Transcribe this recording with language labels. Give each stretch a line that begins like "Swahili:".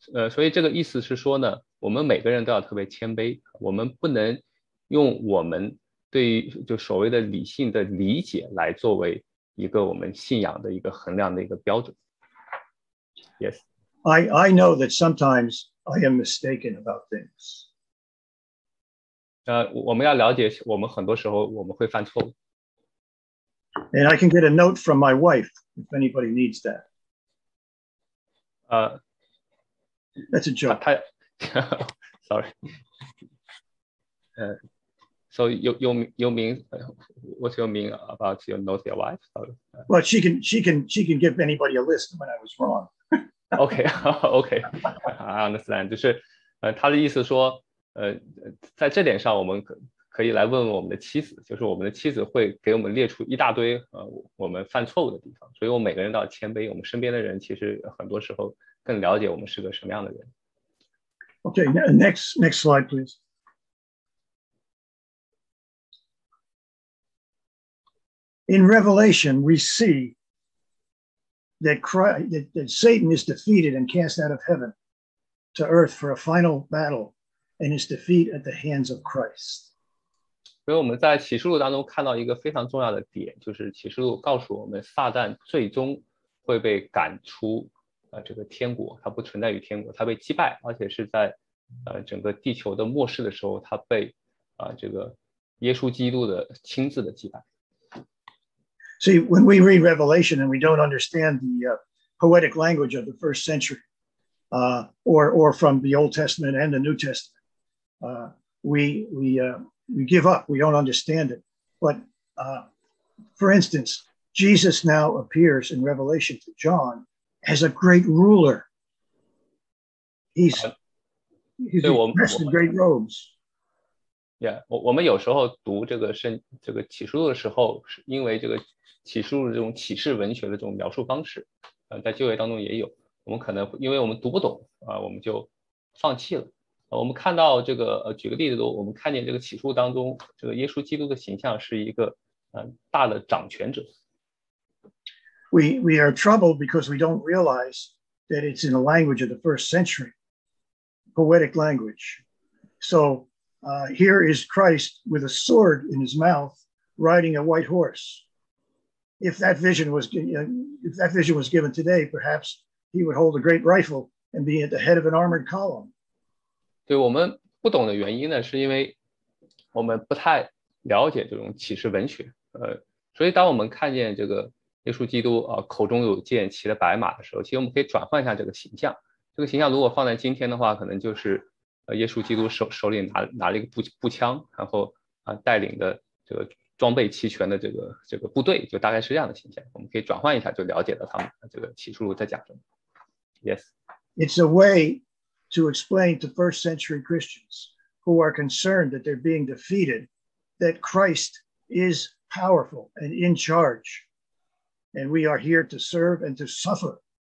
Chinese: So, 这个意思是说呢，我们每个人都要特别谦卑，我们不能用我们对于就所谓的理性的理解来作为一个我们信仰的一个衡量的一个标准。 Yes.
English: I know that sometimes I am mistaken about things.
Chinese: 我们要了解，我们很多时候我们会犯错误。
English: And I can get a note from my wife if anybody needs that. That's a joke. Sorry. So you mean, what do you mean about your note to your wife? Well, she can give anybody a list when I was wrong. Okay. I understand.
Chinese: 就是他的意思说，在这点上我们可以来问问我们的妻子，就是我们的妻子会给我们列出一大堆我们犯错误的地方。所以我们每个人都要谦卑，我们身边的人其实很多时候更了解我们是个什么样的人。
English: Okay, next slide, please. In Revelation, we see that Satan is defeated and cast out of heaven to earth for a final battle and his defeat at the hands of Christ.
Chinese: 所以我们在启示录当中看到一个非常重要的点，就是启示录告诉我们撒旦最终会被赶出这个天国，他不存在于天国，他被击败，而且是在整个地球的末世的时候，他被这个耶稣基督的亲自的击败。
English: See, when we read Revelation and we don't understand the poetic language of the first century or from the Old Testament and the New Testament, we give up, we don't understand it. But for instance, Jesus now appears in Revelation to John as a great ruler. He's dressed in great robes.
Chinese: Yeah, 我们有时候读这个圣这个启示录的时候，是因为这个启示录这种启示文学的这种描述方式，在旧约当中也有。我们可能因为我们读不懂啊，我们就放弃了。我们看到这个举个例子，我们看见这个启示录当中这个耶稣基督的形象是一个大的掌权者。
English: We are troubled because we don't realize that it's in the language of the first century, poetic language. So, here is Christ with a sword in his mouth, riding a white horse. If that vision was given today, perhaps he would hold a great rifle and be at the head of an armored column.
Chinese: 对我们不懂的原因呢，是因为我们不太了解这种启示文学。所以当我们看见这个耶稣基督啊，口中有剑，骑着白马的时候，其实我们可以转换一下这个形象。这个形象如果放在今天的话，可能就是耶稣基督手里拿了一个步枪，然后带领的这个装备齐全的这个部队，就大概是这样的形象。我们可以转换一下，就了解到他们这个启示录在讲什么。
English: Yes, it's a way to explain to first century Christians who are concerned that they're being defeated that Christ is powerful and in charge. And we are here to serve and to suffer.